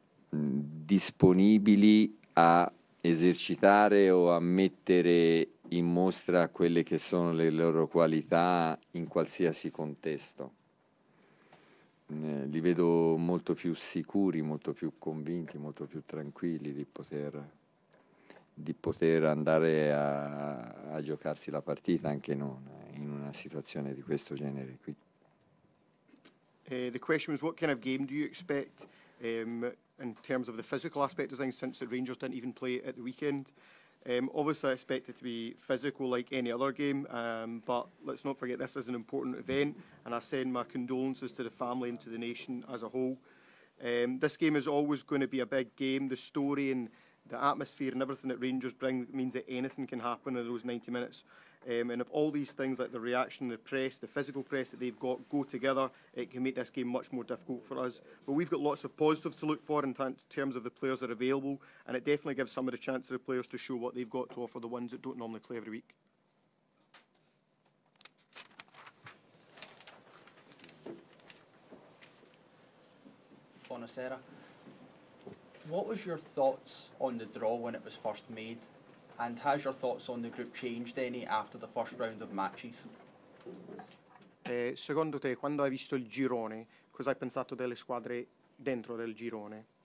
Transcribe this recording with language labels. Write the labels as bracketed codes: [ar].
[it] disponibili a esercitare o a mettere in mostra quelle che sono le loro qualità in qualsiasi contesto. Li vedo molto più sicuri, molto più convinti, molto più tranquilli di poter andare a giocarsi la partita anche non in una situazione di questo genere qui. [en] The question was, what kind of game do you expect in terms of the physical aspect of things, since the Rangers didn't even play at the weekend? Obviously, I expect it to be physical like any other game, but let's not forget this is an important event, and I send my condolences to the family and to the nation as a whole. This game is always going to be a big game. The story and the atmosphere and everything that Rangers bring means that anything can happen in those 90 minutes. And if all these things, like the reaction, the press, the physical press that they've got, go together, it can make this game much more difficult for us. But we've got lots of positives to look for in terms of the players that are available, and it definitely gives some of the chance to the players to show what they've got to offer, the ones that don't normally play every week. [it] Buonasera. [en] What was your thoughts on the draw when it was first made? And has your thoughts on the group changed any after the first round of matches? [it] Secondo te, quando hai visto il girone, cosa hai pensato delle squadre dentro del girone?